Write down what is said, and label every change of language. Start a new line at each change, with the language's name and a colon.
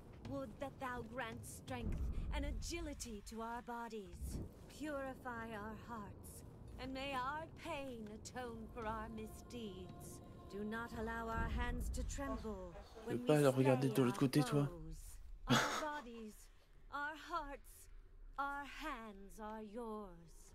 English: Would that thou grant strength and agility to our bodies, purify our hearts, and may our pain atone for our misdeeds. Do not allow our hands to tremble.
French: Je veux pas la regarder de l'autre côté, toi.
English: Our bodies, our hearts, our hands are yours.